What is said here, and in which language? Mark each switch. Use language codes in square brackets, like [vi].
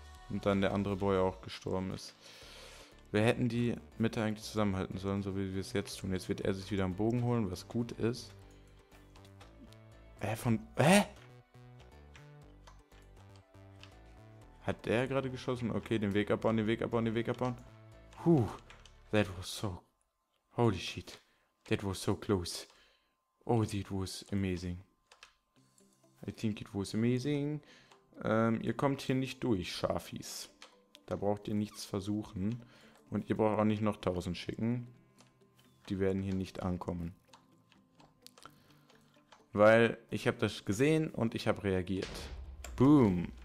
[de] Und dann der andere Boy auch gestorben ist. Wir hätten die Mitte eigentlich zusammenhalten sollen, so wie wir es jetzt tun. Jetzt wird er sich wieder am Bogen holen, was gut ist. Hat der gerade geschossen? Okay, den Weg abbauen. Puh, [en] that was so... Holy shit, that was so close. Oh, that was amazing. I think it was amazing. [de] Ihr kommt hier nicht durch, Schafis. Da braucht ihr nichts versuchen. Und ihr braucht auch nicht noch 1000 schicken. Die werden hier nicht ankommen. Weil ich habe das gesehen und ich habe reagiert. Boom.